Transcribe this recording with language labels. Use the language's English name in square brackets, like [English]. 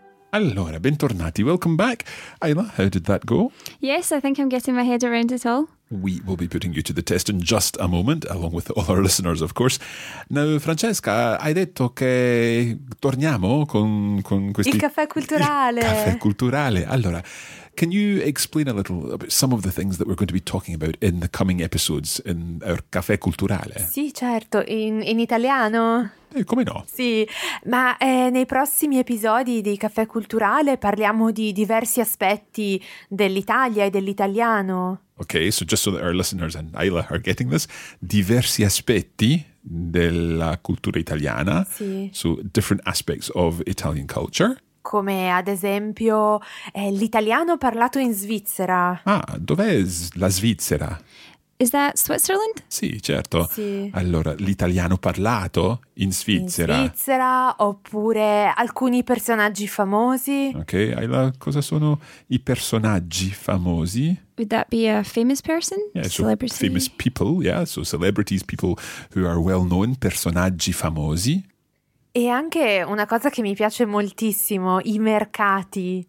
[Italian] Allora, bentornati. [English] Welcome back. Ayla, how did that go? Yes, I think I'm getting my head around it all. We will be putting you to the test in just a moment, along with all our listeners, of course. [Italian] Now, Francesca, hai detto che torniamo con questi... Il caffè culturale. Il caffè culturale. [English] Allora, can you explain a little about some of the things that we're going to be talking about in the coming episodes in our caffè culturale? [Italian] Sì, certo. In italiano? Come no? Sì, ma nei prossimi episodi di Caffè Culturale parliamo di diversi aspetti dell'Italia e dell'italiano. [English] Ok, so just so that our listeners and Ayla are getting this, [Italian] diversi aspetti della cultura italiana, sì. [English] So different aspects of Italian culture. [Italian] Come ad esempio l'italiano parlato in Svizzera. Ah, dov'è la Svizzera? [English] Is that Switzerland? [Italian] Sì, certo. Sì. Allora, l'italiano parlato in Svizzera. In Svizzera, oppure alcuni personaggi famosi. Ok, Ayla, cosa sono i personaggi famosi? [English] Would that be a famous person? Yeah, celebrity? So famous people, yeah. So celebrities, people who are well known, [Italian] personaggi famosi. E anche una cosa che mi piace moltissimo, i mercati.